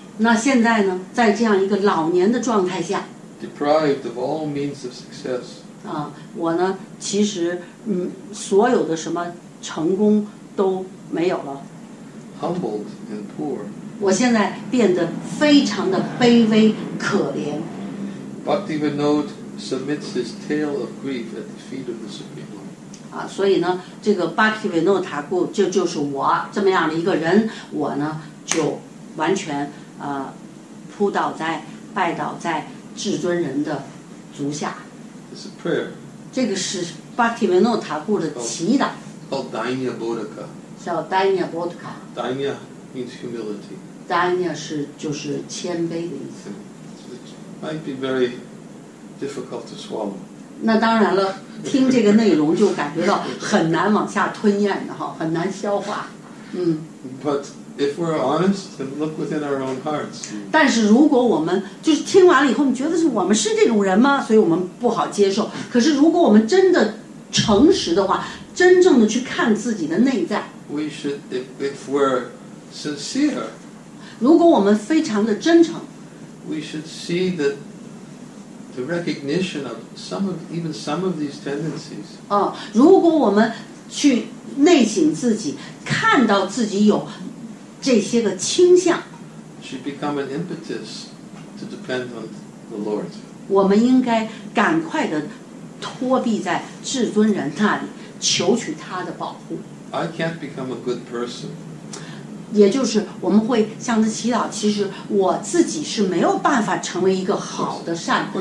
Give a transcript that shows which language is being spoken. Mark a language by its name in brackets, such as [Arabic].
[Chinese] 那现在呢，在这样一个老年的状态下。 [English] Deprived of all means of success. [Chinese] 我呢，其实所有的什么成功都没有了。 [English] Humbled and poor. [Chinese] 我现在变得非常的卑微可怜。 [English] Bhaktivinoda submits his tale of grief at the feet of the Supreme Lord. [Chinese] 所以呢，这个 Bhaktivinoda Thakur 就是我这么样的一个人，我呢就完全扑倒在拜倒在。至尊人的足下。 [English] It's a prayer. [Chinese] 这个是巴提维诺塔库的祈祷。 [English] Called Danya Bodhika. [Chinese] 叫 Danya Bodhika. [English] Danya means humility. [Chinese] Danya 是就是谦卑的意思。 [English] Might be very difficult to swallow. [Chinese] 那当然了，听这个内容就感觉到很难往下吞咽的哈，很难消化。 [English] But. If we're honest and look within our own hearts, [Chinese] 但是如果我们就是听完了以后，我们觉得是我们是这种人吗？所以我们不好接受。可是如果我们真的诚实的话，真正的去看自己的内在 [English] ，We should if we're sincere. [Chinese] 如果我们非常的真诚 [English] ，We should see that the recognition of some of these tendencies. [Chinese] 如果我们去内省自己，看到自己有。这些个倾向 [English] should become an impetus to depend on the Lord. [Chinese] 我们应该赶快的托庇在至尊人那里，求取他的保护。 [English] I can't become a good person. [Chinese] 也就是我们会向他祈祷，其实我自己是没有办法成为一个好的善的。